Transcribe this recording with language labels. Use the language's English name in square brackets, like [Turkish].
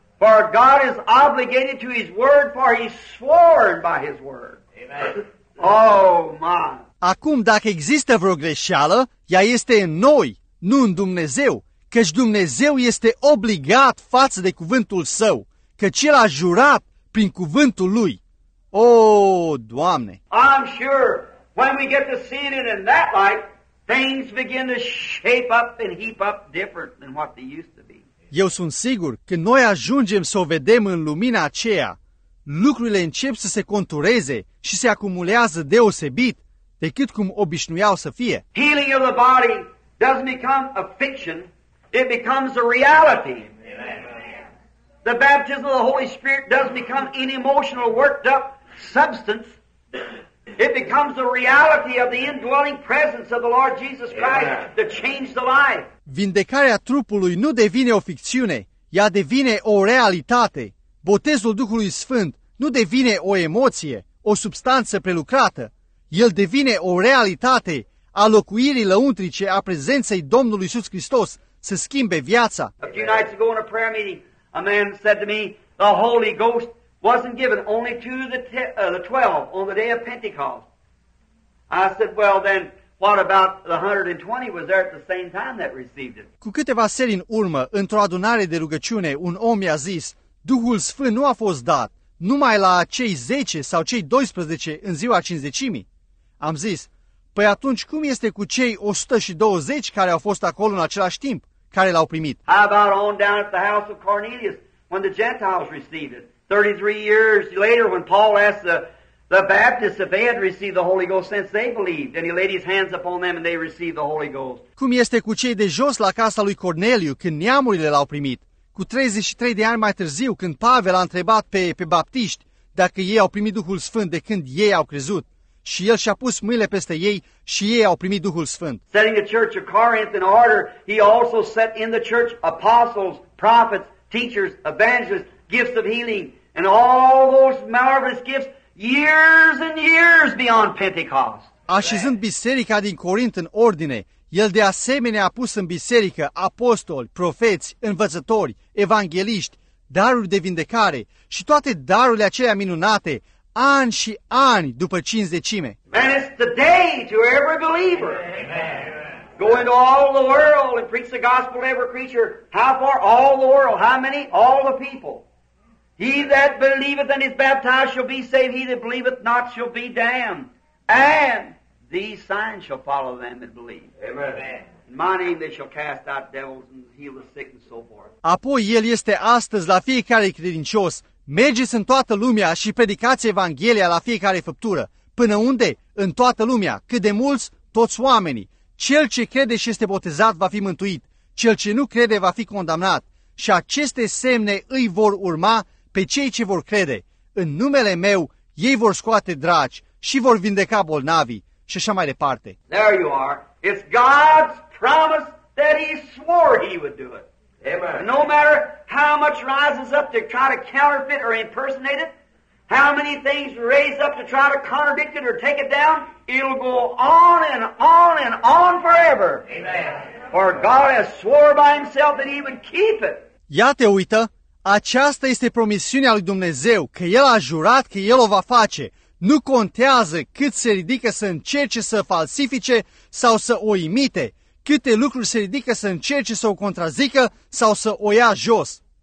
[English] For God is obligated to His word, for He swore by His word. Amen. Oh, my. [Romanian] Acum, dacă există vreo greșeală, ea este în noi, nu în Dumnezeu, căci Dumnezeu este obligat față de cuvântul Său, căci El a jurat prin cuvântul Lui. Oh, Doamne! [English] I'm sure when we get to see it in that light, things begin to shape up and heap up different than what they used to be. [Romanian] Eu sunt sigur că noi ajungem să o vedem în lumina aceea. Lucrurile încep să se contureze și se acumulează deosebit decât cum obișnuiau să fie. [English] Healing of the body doesn't become a fiction, it becomes a reality. Amen. The baptism of the Holy Spirit doesn't become an emotional worked up substance. It becomes the reality of the indwelling presence of the Lord Jesus Christ to change the life. [Romanian] Vindecarea trupului nu devine o ficțiune, ea devine o realitate. Botezul Duhului Sfânt nu devine o emoție, o substanță prelucrată. El devine o realitate a locuirii lăuntrice a prezenței Domnului Iisus Hristos să schimbe viața. [English] A few nights ago in a prayer meeting, a man said to me, the Holy Ghost wasn't given only to the 12 on the day of Pentecost. I said, well then, what about the 120 was there at the same time that received it? [Romanian] Cu câteva seri în urmă, într-o adunare de rugăciune, un om mi-a zis, Duhul Sfânt nu a fost dat numai la cei 10 sau cei 12 în ziua cincizecimii. Am zis, păi atunci cum este cu cei 120 care au fost acolo în același timp, care l-au primit? [English] How about on down at the house of Cornelius when the Gentiles received it? 33 years later, when Paul asked the Baptists if they had received the Holy Ghost since they believed, and he laid his hands upon them and they received the Holy Ghost. [Romanian] Cum este cu cei de jos la casa lui Corneliu când neamurile l-au primit? Cu 33 de ani mai târziu, când Pavel a întrebat pe baptiști dacă ei au primit Duhul Sfânt de când ei au crezut, și el și-a pus mâinile peste ei și ei au primit Duhul Sfânt. [English] Setting the church of Corinth in order, he also set in the church apostles, prophets, teachers, evangelists, gifts of healing, and all those marvelous gifts years and years beyond Pentecost. [Romanian] Așezând biserica din Corint în ordine, el de asemenea a pus în biserică apostoli, profeți, învățători, evangeliști, daruri de vindecare și toate darurile acelea minunate, ani și ani după cincizecime. [English] And it's today to every believer. Amen. Go into all the world and preach the gospel to every creature. How far? All the world. How many? All the people. He that believeth and is baptized shall be saved, he that believeth not shall be damned. And these signs shall follow them that believe. Amen. In my name they shall cast out devils and heal the sick and so forth. [Romanian] Apoi el este astăzi la fiecare credincios. Mergeți în toată lumea și predicați Evanghelia la fiecare făptură. Până unde? În toată lumea. Cât de mulți? Toți oamenii. Cel ce crede și este botezat va fi mântuit. Cel ce nu crede va fi condamnat. Și aceste semne îi vor urma pe cei ce vor crede. În numele meu, ei vor scoate dragi și vor vindeca bolnavii și așa mai departe. [English] There you are. It's God's promise that He swore He would do it. Amen. No matter how much rises up to try to counterfeit or impersonate it, how many things raise up to try to contradict it or take it down, it'll go on and on and on forever. Amen. For God has swore by Himself that He would keep it. [Romanian] Iată, uită! Aceasta este promisiunea lui Dumnezeu, că El a jurat că El o va face. Nu contează cât se ridică să încerce să falsifice sau să o imite, câte lucruri se ridică să încerce să o contrazică sau să o ia jos.